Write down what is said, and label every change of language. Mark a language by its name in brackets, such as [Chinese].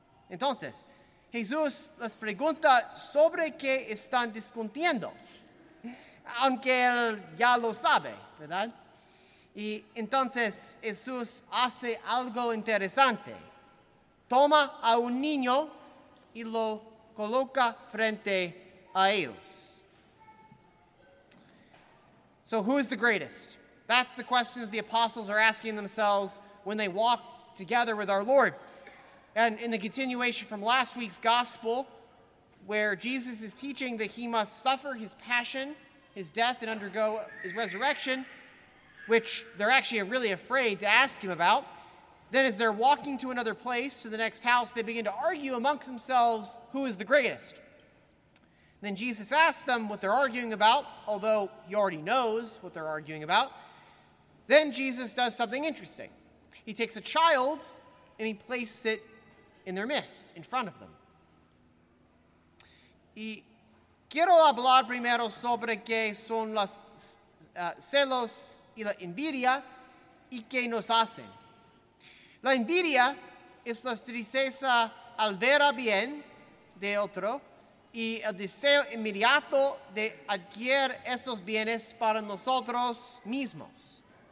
[Spanish] Entonces, Jesús les pregunta sobre qué están discutiendo, aunque él ya lo sabe, ¿verdad? Y entonces Jesús hace algo interesante. Toma a un niño y lo coloca frente a ellos. [English] So who's the greatest? That's the question that the apostles are asking themselves when they walk together with our Lord. And in the continuation from last week's gospel, where Jesus is teaching that he must suffer his passion, his death, and undergo his resurrection, which they're actually really afraid to ask him about, then as they're walking to another place, to the next house, they begin to argue amongst themselves who is the greatest. Then Jesus asks them what they're arguing about, although he already knows what they're arguing about. Then Jesus does something interesting. He takes a child and he places it in their midst, in front of them. [Spanish] Y quiero hablar primero sobre qué son los celos y la envidia y qué nos hacen. La envidia es la tristeza al ver a bien de otro y el deseo inmediato de adquirir esos bienes para nosotros mismos.